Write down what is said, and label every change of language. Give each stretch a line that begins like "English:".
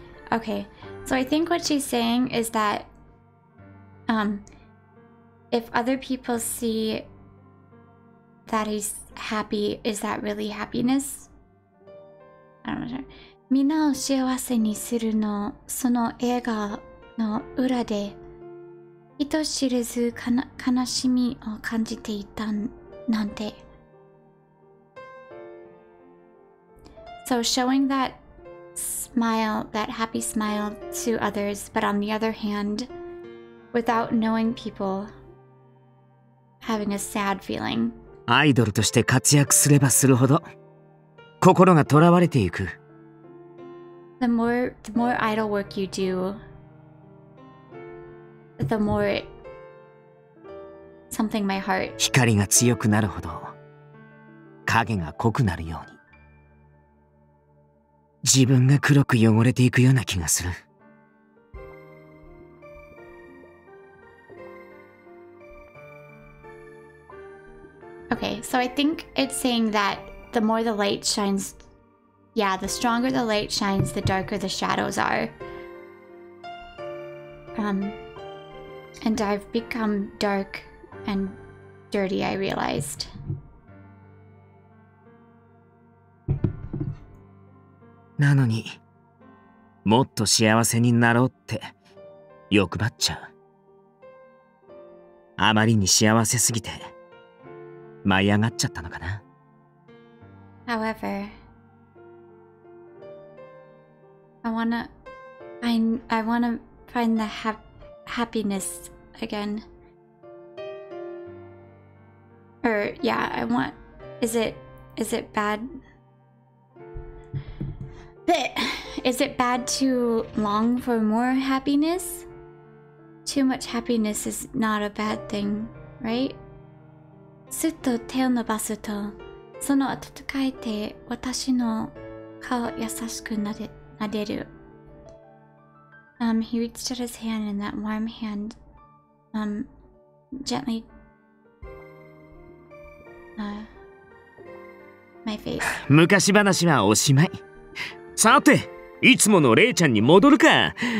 English: Okay, so I think what she's saying is that if other people see that he's happy, is that really happiness? I don't know.
Japanese: みんなを幸せにするの、その映画の裏で、人知れず悲しみを感じていたなんて。
English: So showing that smile, that happy smile to others, but on the other hand, without knowing people, having a sad feeling.
Japanese: アイドルとして活躍すればするほど心が囚われていく。
English: The more idol work you do, the more something my heart.
Japanese: 光が強くなるほど影が濃くなるように。自分が黒く汚れていくような気がする。
English: Okay, so I think it's saying that the more the light shines, yeah, the stronger the light shines, the darker the shadows are. And I've become dark and dirty, I realized.
Japanese: なのに、もっと幸せになろうって欲張っちゃう。あまりに幸せすぎて舞い上がっちゃったのかな。
English: However, I wanna find the happiness again. Or yeah, I want. Is it bad? But is it bad to long for more happiness? Too much happiness is not a bad thing, right?
Japanese: すっと手を伸ばすと、その温かい手、私の顔を優しく撫でる。
English: He reached out his hand and that warm hand, gently, my face.
Japanese: 昔話はおしまい。さて、いつものレイちゃんに戻るか。